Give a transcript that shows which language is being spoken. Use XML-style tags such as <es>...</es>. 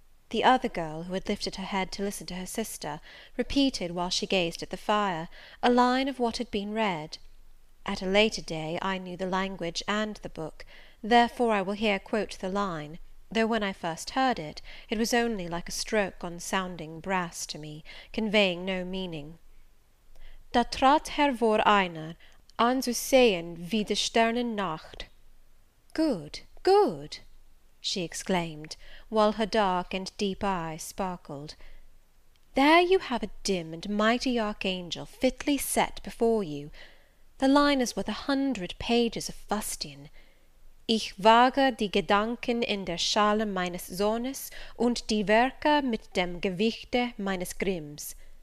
<en>The other girl, who had lifted her head to listen to her sister, repeated, while she gazed at the fire, a line of what had been read. At a later day I knew the language and the book, therefore I will here quote the line, though when I first heard it, it was only like a stroke on sounding brass to me, conveying no meaning.</en> <de>Da trat hervor einer, an zu sehen wie die Sternen Nacht.</de> <en>Good, good, she exclaimed, while her dark and deep eye sparkled. There you have a dim and mighty archangel fitly set before you. The line is worth 100 pages of fustian.</en> <de>Ich wage die Gedanken in der Schale meines Sohnes und die Werke mit dem Gewichte meines Grimms.</de>